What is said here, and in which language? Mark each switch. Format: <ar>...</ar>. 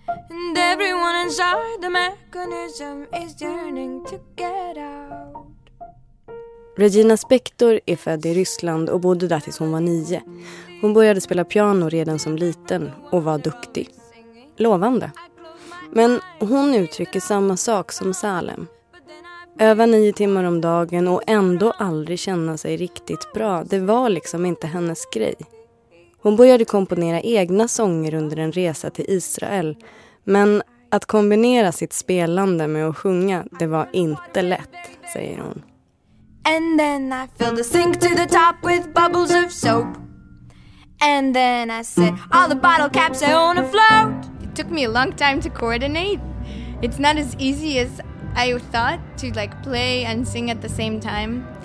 <en>And everyone inside the mechanism is yearning to get out.</en> <sv>Regina Spektor är född i Ryssland och bodde där tills hon var 9. Hon började spela piano redan som liten och var duktig. Lovande. Men hon uttrycker samma sak som Salem. Öva 9 timmar om dagen och ändå aldrig känna sig riktigt bra. Det var liksom inte hennes grej. Hon började komponera egna sånger under en resa till Israel. Men att kombinera sitt spelande med att sjunga, det var inte lätt, säger hon.</sv> <en>And then I fill the sink to the top with bubbles of soap. And then I set all the bottle caps on a float. It took me a long time to coordinate. It's not as easy as I thought to like play and sing at the same time.</en>